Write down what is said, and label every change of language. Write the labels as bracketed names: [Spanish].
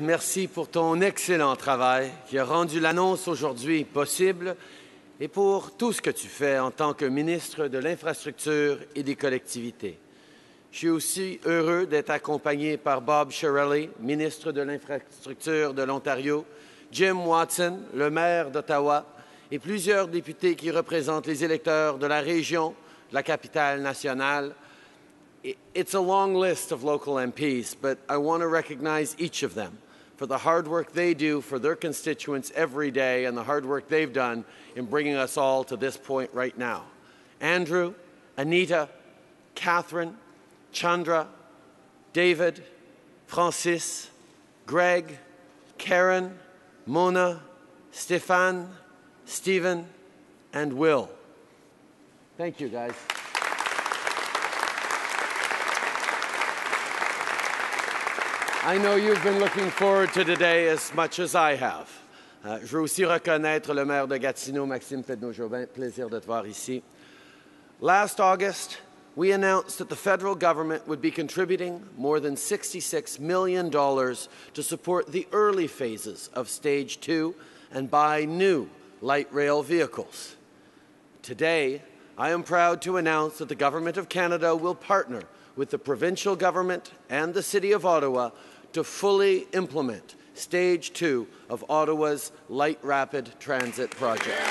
[French] Merci pour ton excellent travail qui a rendu l'annonce aujourd'hui possible et pour tout ce que tu fais en tant que ministre de l'Infrastructure et des Collectivités. Je suis aussi heureux d'être accompagné par Bob Chiarelli, ministre de l'Infrastructure de l'Ontario, Jim Watson, le maire d'Ottawa, et plusieurs députés qui représentent les électeurs de la région, de la capitale nationale. [English] It's a long list of local MPs, but I want to recognize each of them for the hard work they do for their constituents every day and the hard work they've done in bringing us all to this point right now. Andrew, Anita, Catherine, Chandra, David, Francis, Greg, Karen, Mona, Stéphane, Stephen, and Will. Thank you, guys. I know you've been looking forward to today as much as I have. [French] Je veux aussi reconnaître le maire de Gatineau, Maxime Pedneau-Jobin. Plaisir de te voir ici. [English] Last August, we announced that the federal government would be contributing more than $66 million to support the early phases of Stage 2 and buy new light rail vehicles. Today, I am proud to announce that the Government of Canada will partner with the provincial government and the City of Ottawa to fully implement Stage 2 of Ottawa's Light Rapid Transit project.